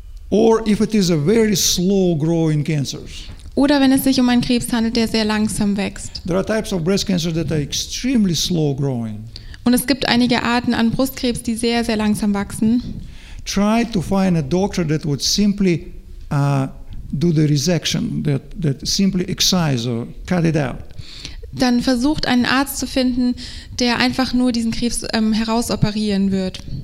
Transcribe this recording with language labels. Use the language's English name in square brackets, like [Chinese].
[English] Or if it is a very slow growing cancer. [German] Oder wenn es sich um einen Krebs handelt, der sehr langsam wächst. [English] There are types of breast cancer that are extremely slow growing. [German] Und es gibt einige Arten an Brustkrebs, die sehr, sehr langsam wachsen. [English] Try to find a doctor that would simply do the resection, that simply excise or cut it out. [German] Dann versucht einen Arzt zu finden, der einfach nur diesen Krebs herausoperieren wird.